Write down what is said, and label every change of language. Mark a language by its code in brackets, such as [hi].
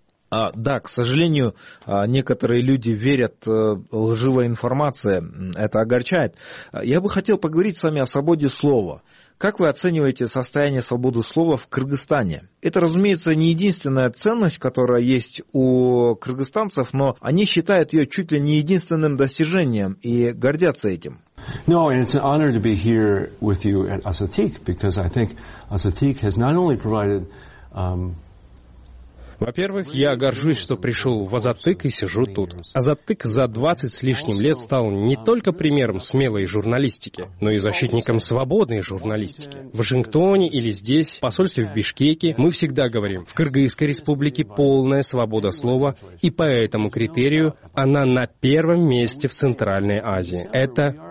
[ru] Да, к сожалению, некоторые люди верят лживой информации, это огорчает. Я бы хотел поговорить с вами о свободе слова. Как вы оцениваете состояние свободы слова в Кыргызстане? Это, разумеется, не единственная ценность, которая есть у кыргызстанцев, но они считают ее чуть ли не единственным достижением и гордятся этим. [en] No, and it's an honor to be here with you at Azatik, because I think Azatik has not only provided... [ru] Во-первых, я горжусь, что пришел в Азатык и сижу тут. Азатык за 20 с лишним лет стал не только примером смелой журналистики, но и защитником свободной журналистики. В Вашингтоне или здесь, в посольстве в Бишкеке, мы всегда говорим, в Кыргызской республике полная свобода слова, и по этому критерию она на первом месте в Центральной Азии. Это...